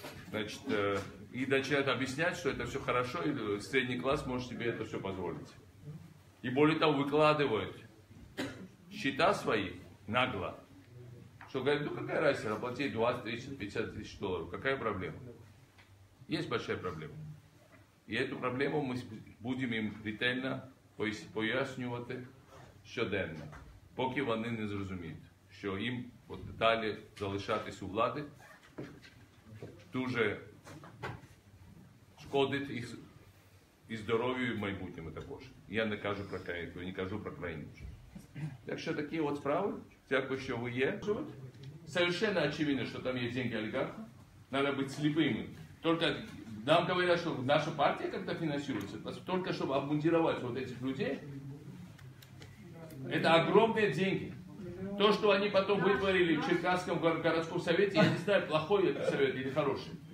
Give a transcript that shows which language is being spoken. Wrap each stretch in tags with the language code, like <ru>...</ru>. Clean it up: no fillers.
<ru>Значит, и начинают объяснять, что это все хорошо, и средний класс может себе это все позволить. И более того, выкладывают счета свои нагло. Что говорит, ну какая разница, оплатить 20 тысяч, 50 тысяч долларов, какая проблема? Есть большая проблема.</ru> <uk>И эту проблему мы будем им ретельно пояснювати щоденно, поки вони не зрозуміють, що їм от далі залишатись у влади дуже шкодить їх і здоров'ю, і майбутньому також. Я не кажу про країну, не кажу про країну. Якщо такі от справи, дякую, що ви є.</uk> <ru>Совершенно очевидно, что там есть деньги олигарха. Надо быть слепыми. Только нам говорят, что наша партия как-то финансируется. Только чтобы обмундировать вот этих людей, это огромные деньги. То, что они потом вытворили в Черкасском городском совете, я не знаю, плохой это совет или хороший.</ru>